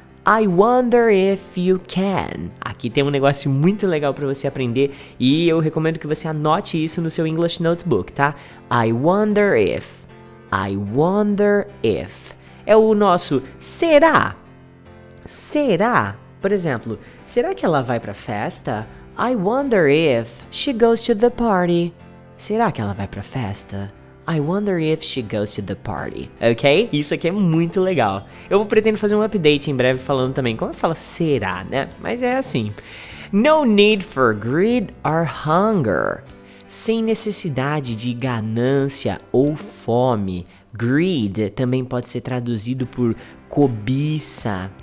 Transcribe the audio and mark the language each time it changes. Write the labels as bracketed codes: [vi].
[en] I wonder if you can. [pt] Aqui tem um negócio muito legal para você aprender e eu recomendo que você anote isso no seu English Notebook, tá? [en] I wonder if. I wonder if. [pt] É o nosso será? Será? Por exemplo, será que ela vai pra festa? [en] I wonder if she goes to the party. [pt] Será que ela vai pra festa? [en] I wonder if she goes to the party. [pt] Ok? Isso aqui é muito legal. Eu pretendo fazer um update em breve falando também como é que fala será, né? Mas é assim. [en] No need for greed or hunger. [pt] Sem necessidade de ganância ou fome. Greed também pode ser traduzido por cobiça.